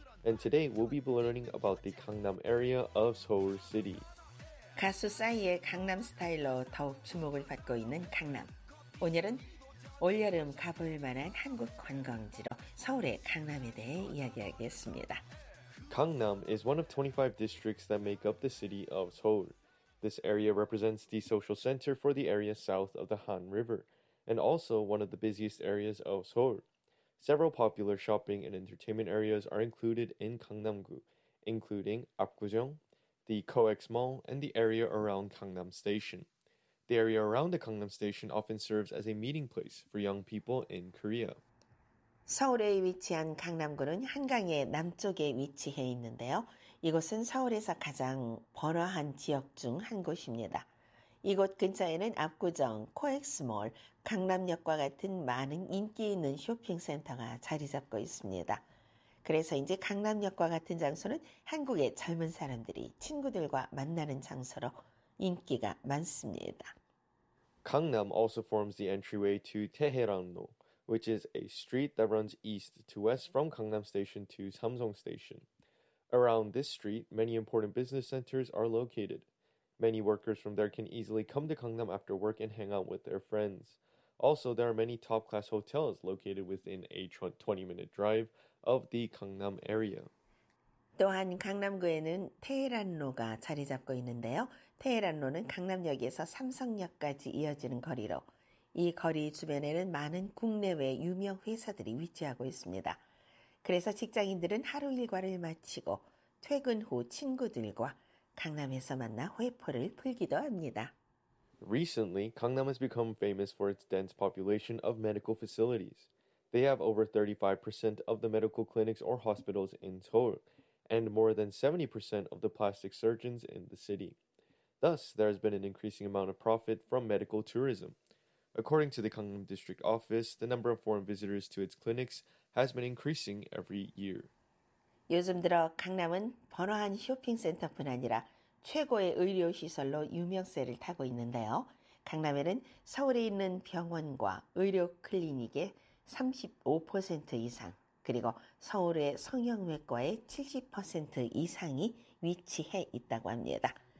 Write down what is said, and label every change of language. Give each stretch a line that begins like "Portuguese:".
English: And today we'll be learning about the Gangnam area of Seoul City.
Korean: 가수 싸이의 강남 스타일로 더욱 주목을 받고 있는 강남. 오늘은 올여름 가볼 만한 한국 관광지로 서울의 강남에 대해 이야기하겠습니다.
English: Gangnam is one of 25 districts that make up the city of Seoul. This area represents the social center for the area south of the Han River, and also one of the busiest areas of Seoul. Several popular shopping and entertainment areas are included in Gangnam-gu, including Apgujeong, the Coex Mall, and the area around Gangnam Station. The area around the Gangnam Station often serves as a meeting place for young people in Korea.
Korean: 서울에 위치한 강남구는 한강의 남쪽에 위치해 있는데요. 이곳은 서울에서 가장 번화한 지역 중 한 곳입니다. 이곳 근처에는 압구정, 코엑스몰, 강남역과 같은 많은 인기 있는 쇼핑센터가 자리 잡고 있습니다. 그래서 이제 강남역과 같은 장소는 한국의 젊은 사람들이 친구들과 만나는 장소로 인기가 많습니다.
English: Gangnam also forms the entryway to Taehaerangno, which is a street that runs east to west from Gangnam Station to Samsung Station. Around this street, many important business centers are located. Many workers from there can easily come to Gangnam after work and hang out with their friends. Also, there are many top-class hotels located within a 20-minute drive of the Gangnam area.
Korean: 또한 강남구에는 테헤란로가 자리 잡고 있는데요. 테헤란로는 강남역에서 삼성역까지 이어지는 거리로 이 거리 주변에는 많은 국내외 유명 회사들이 위치하고 있습니다. 그래서 직장인들은 하루 일과를 마치고 퇴근 후 친구들과 강남에서 만나 회포를 풀기도 합니다.
English: Recently, Gangnam has become famous for its dense population of medical facilities. They have over 35% of the medical clinics or hospitals in Seoul, and more than 70% of the plastic surgeons in the city. Thus, there has been an increasing amount of profit from medical tourism. According to the Gangnam District Office, the number of foreign visitors to its clinics has been increasing every year.
Korean: 요즘 들어 강남은 번화한 쇼핑센터뿐 아니라 최고의 의료시설로 유명세를 타고 있는데요. 강남에는 서울에 있는 병원과 의료클리닉의 35% 이상, 그리고 서울의 성형외과의 70% 이상이 위치해 있다고 합니다.